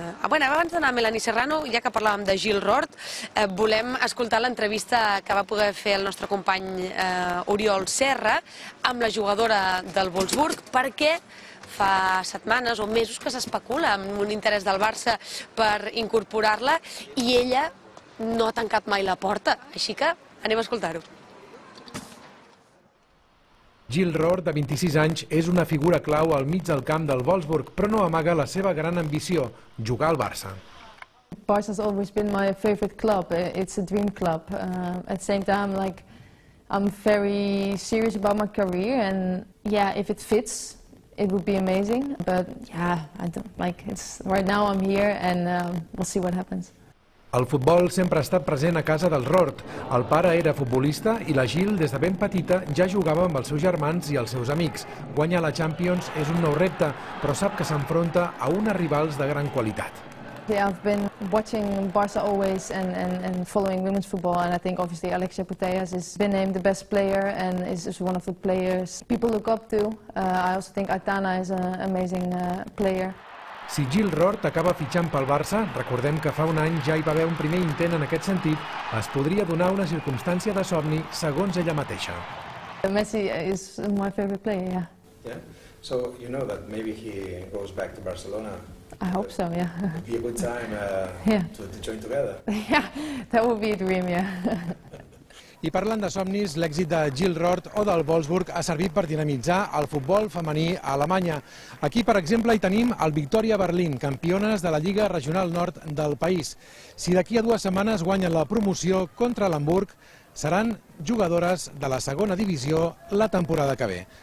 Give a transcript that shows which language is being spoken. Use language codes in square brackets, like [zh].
[ca] abans d'anar a Melanie Serrano, ja que parlàvem de Jill Roort, volem escoltar l'entrevista que va poder fer el nostre company Oriol Serra amb la jugadora del Wolfsburg, perquè fa setmanes o mesos que s'especula amb un interès del Barça per incorporar-la i ella no ha tancat mai la porta, així que anem a escoltar-ho. Jill Roort, de 26 anys, és una figura clau al mig del camp del Wolfsburg, però no amaga la seva gran ambició, jugar al Barça. [en] Barça's always been my favorite club. It's a dream club. At the same time, like, I'm very serious about my career, and yeah, if it fits, it would be amazing. But yeah, I don't, like, it's right now I'm here, and we'll see what happens. [ca] El futbol sempre ha estat present a casa del Roort. El pare era futbolista i la Jill, des de ben petita, ja jugava amb els seus germans i els seus amics. Guanyar la Champions és un nou repte, però sap que s'enfronta a unes rivals de gran qualitat. [en] I've been watching Barça always and following women's football, and I think obviously Alexia Putellas has been named the best player and is one of the players people look up to. I also think Aitana is an amazing player. [ca] Si Jill Roort acaba fitxant pel Barça, recordem que fa un any ja hi va haver un primer intent en aquest sentit, es podria donar una circumstància de somni segons ella mateixa. [en] Messi is my favorite player, yeah. Yeah? So you know that maybe he goes back to Barcelona. I hope so, yeah. It would be a good time to join together. Yeah, that would be a dream, yeah. [ca] I parlant de somnis, l'èxit de Jill Roort o del Wolfsburg ha servit per dinamitzar el futbol femení a Alemanya. Aquí, per exemple, hi tenim el Victoria Berlin, campiones de la Lliga Regional Nord del país. Si d'aquí a dues setmanes guanyen la promoció contra l'Hamburg, seran jugadores de la segona divisió la temporada que ve.